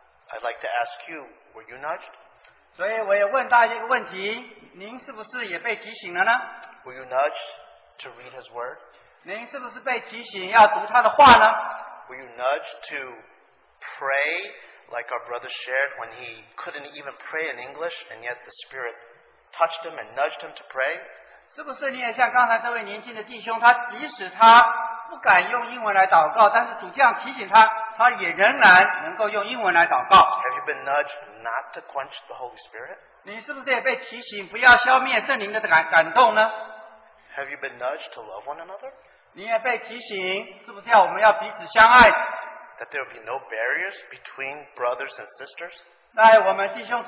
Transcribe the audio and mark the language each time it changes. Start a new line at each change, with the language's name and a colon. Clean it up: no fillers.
English: I'd like to ask you, were you nudged?
Chinese: 所以我也问大家一个问题，您是不是也被提醒了呢？
English: Were you nudged to read his word?
Chinese: 您是不是被提醒要读他的话呢？
English: Were you nudged to pray like our brother shared when he couldn't even pray in English and yet the Spirit touched him and nudged him to pray?
Chinese: 是不是你也像刚才这位年轻的弟兄，他即使他不敢用英文来祷告，但是主这样提醒他？
English: Have you been nudged not to quench the Holy Spirit? Have you been nudged to love one another? That there will be no barriers between brothers and sisters?